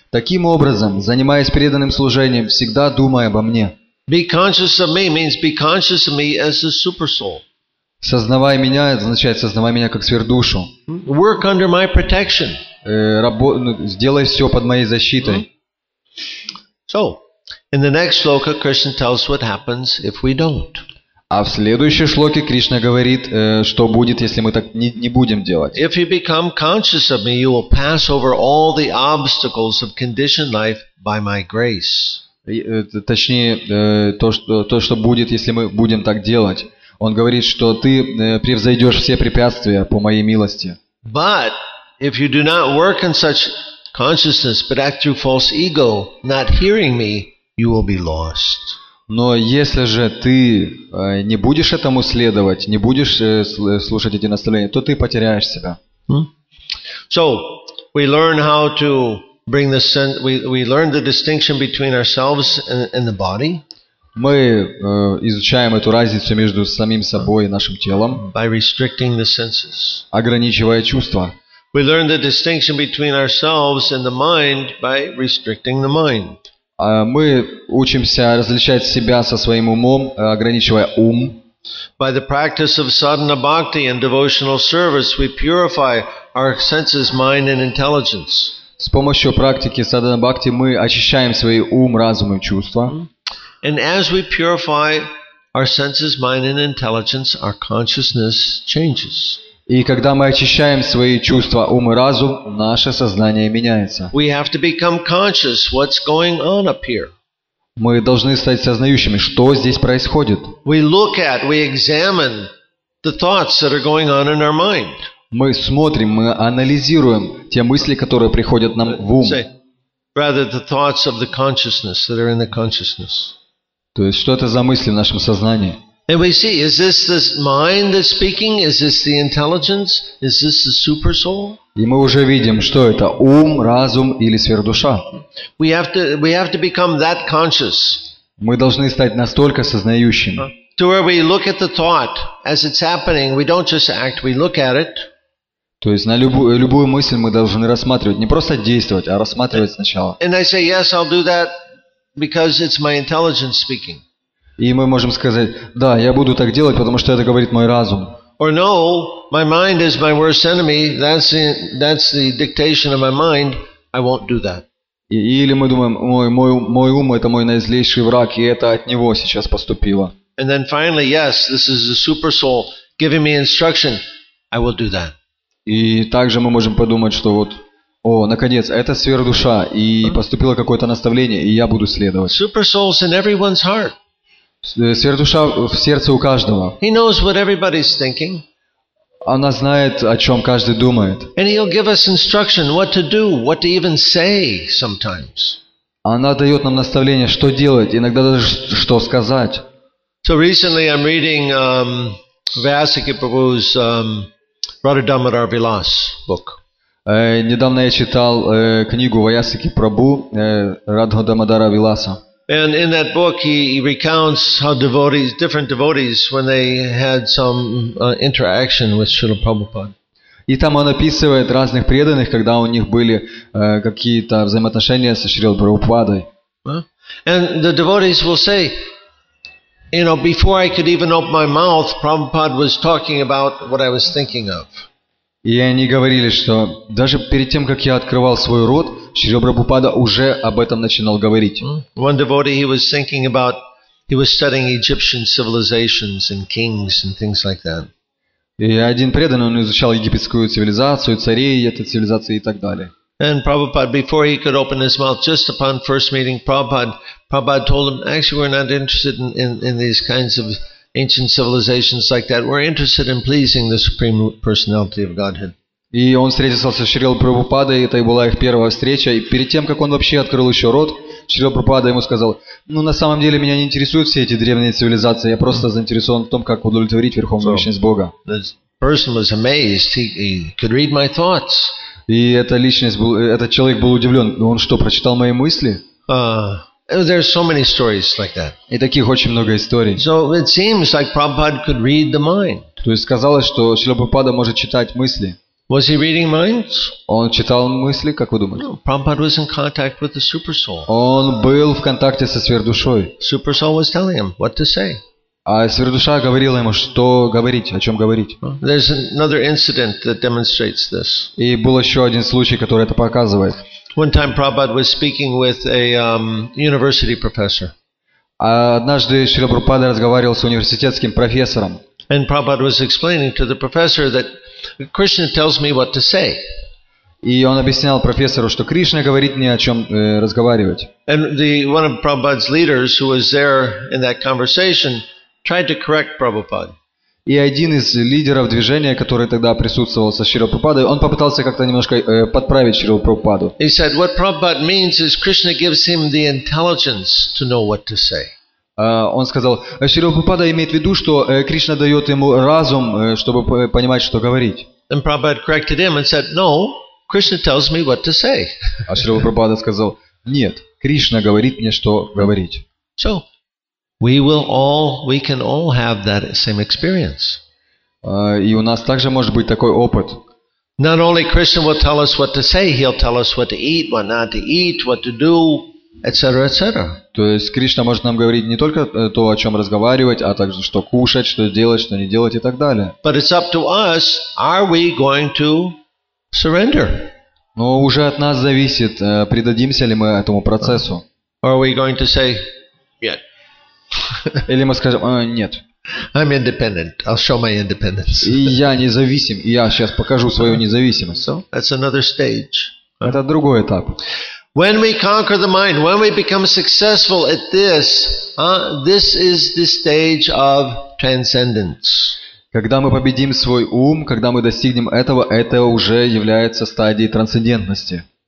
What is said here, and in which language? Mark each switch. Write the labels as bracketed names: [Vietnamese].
[Russian] Таким образом, занимаясь преданным служением, всегда думай обо мне. [English] Be conscious of me means be conscious of me as a super soul. [Russian] Сознавай меня, это означает сознавай меня как сверхдушу. [English] Work under my protection. [Russian] Сделай все под моей защитой. [English] So, in the next shloka, Krishna tells what happens if we don't. [Russian] А в следующей шлоке Кришна говорит, что будет, если мы так не будем делать. [English] If you become conscious of me, you will pass over all the obstacles of conditioned life by my grace. [Russian] Точнее, то, что будет, если мы будем так делать. Он говорит, что ты превзойдешь все препятствия по моей милости. [English] But if you do not work in such consciousness, but act through false ego, not hearing me, you will be lost. [Russian] Но если же ты не будешь этому следовать, не будешь слушать эти наставления, то ты потеряешь себя. [English] So we learn how to bring the sense. We learn the distinction between ourselves and the body. [Russian] Мы изучаем эту разницу между самим собой и нашим телом, [English] by restricting the senses. [Russian] Ограничивая чувства. [English] We learn the distinction between ourselves and the mind by restricting the mind. [Russian] Мы учимся различать себя со своим умом, ограничивая ум. [English] By the practice of sadhana bhakti and devotional service, we purify our senses, mind, and intelligence. [Russian] С помощью практики sadhana bhakti мы очищаем свой ум, разум и чувства. [English] And as we purify our senses, mind, and intelligence, our consciousness changes. [Russian] И когда мы очищаем свои чувства, ум и разум, наше сознание меняется. [English] We have to become conscious what's going on up here. [Russian] Мы должны стать сознающими, что здесь происходит. [English] We look at, we examine the thoughts that are going on in our mind. [Russian] Мы смотрим, мы анализируем те мысли, которые приходят нам в ум. [English] Rather the thoughts of the consciousness that are in the consciousness. [Russian] То есть, что это за мысли в нашем сознании? [English] And we see, is this the mind that's speaking? Is this the intelligence? Is this the super soul? [Russian] И мы уже видим, что это ум, разум или сверхдуша. [English] We have to become that conscious. [Russian] Мы должны стать настолько сознающими. [English] To where we look at the thought as it's happening. We don't just act, we look at it. [Russian] То есть на любую мысль мы должны рассматривать. Не просто действовать, а рассматривать сначала. [English] And I say, yes, I'll do that. Because it's my intelligence speaking. [Russian] И мы можем сказать: да, я буду так делать, потому что это говорит мой разум. [English] Or no, my mind is my worst enemy. That's the dictation of my mind. I won't do that. [Russian] Или мы думаем: мой ум — это мой наизлейший враг, и это от него сейчас поступило. [English] And then finally, yes, this is the super soul giving me instruction. I will do that. [Russian] И также мы можем подумать, что вот. О, наконец, это сверхдуша, и поступило какое-то наставление, и я буду следовать. [English] Super soul's in everyone's heart. [Russian] Сверхдуша в сердце у каждого. [English] He knows what everybody's thinking. [Russian] Она знает, о чем каждый думает. [English] And he'll give us instruction, what to do, what to even say sometimes. [Russian] Она дает нам наставление, что делать, иногда даже что сказать. [English] So recently I'm reading Vyasa Prabhu's Radha-Damodar Vilas book. [Russian] Недавно я читал книгу Ваясаки Прабу Радха-Дамодара Виласа. [English] And in that book he recounts how devotees, different devotees, when they had some interaction with Srila Prabhupada. [Russian] И там он описывает разных преданных, когда у них были какие-то взаимоотношения со Шрилой Прабхупадой. [English] And the devotees will say, you know, before I could even open my mouth, Prabhupada was talking about what I was thinking of. [Russian] И они говорили, что даже перед тем, как я открывал свой рот, Шрила Прабхупада уже об этом начинал говорить. [English] One devotee he was thinking about, he was studying Egyptian civilizations and kings and things like that. [Russian] И один преданный, он изучал египетскую цивилизацию, царей этой цивилизации и так далее. [English] And Prabhupada, before he could open his mouth, just upon first meeting Prabhupada told him, actually we're not interested in these kinds of ancient civilizations like that. We're interested in pleasing the Supreme Personality of Godhead. [Russian] И он встретился со Шрилой Прабхупадой, это и была их первая встреча. И перед тем, как он вообще открыл еще рот, Шрила Прабхупада ему сказал: ну, на самом деле, меня не интересуют все эти древние цивилизации, я просто заинтересован в том, как удовлетворить Верховную Личность Бога. [English] The person was amazed. He could read my thoughts. [Russian] И этот человек был удивлен. Он что, прочитал мои мысли? [English] There's so many stories like that. [Russian] И таких очень много историй. [English] So it seems like Prabhupada could read the mind. [Russian] То есть казалось, что Шрила Прабхупада может читать мысли. [English] Was he reading minds? [Russian] Он читал мысли, как вы думаете? [English] No, Prabhupada was in contact with the super soul. [Russian] Он был в контакте со сверхдушой. [English] Super soul was telling him what to say. [Russian] А сверхдуша говорила ему, что говорить, о чем говорить. [English] There's another incident that demonstrates this. [Russian] И был еще один случай, который это показывает. [English] One time Prabhupada was speaking with a university professor. [Russian] Однажды Шрила Прабхупада разговаривал с университетским профессором. [English] And Prabhupada was explaining to the professor that Krishna tells me what to say. [Russian] И он объяснял профессору, что Кришна говорит мне, о чем разговаривать. [English] And one of Prabhupada's leaders who was there in that conversation tried to correct Prabhupada. [Russian] И один из лидеров движения, который тогда присутствовал со Шрилой Прабхупадой, он попытался как-то немножко подправить Шрилу Прабхупаду. [English] He said what Prabhupada means is Krishna gives him the intelligence to know what to say. [Russian] Он сказал, Шрила Прабхупада имеет в виду, что Кришна дает ему разум, чтобы понимать, что говорить. [English] And Prabhupada corrected him and said, no, Krishna tells me what to say. [Russian] А Шрила Прабхупада сказал, нет, Кришна говорит мне, что говорить. [English] So, we can all have that same experience. [Russian] И у нас также может быть такой опыт. [English] Not only Krishna will tell us what to say, he'll tell us what to eat, what not to eat, what to do. [Russian] То есть Кришна может нам говорить не только то, о чем разговаривать, а также что кушать, что делать, что не делать и так далее. [English] But it's up to us, are we going to surrender? [Russian] Но уже от нас зависит, предадимся ли мы этому процессу. [English] Or are we going to say, yet? [Russian] Или мы скажем, нет. [English] I'm independent. I'll show my independence. [Russian] И я независим, и я сейчас покажу свою независимость. [English] So, that's another stage. [Russian] Это другой этап. [English] When we conquer the mind, when we become successful at this, this is the stage of transcendence. [Russian] Когда мы победим свой ум, когда мы достигнем этого, это уже является стадией трансцендентности.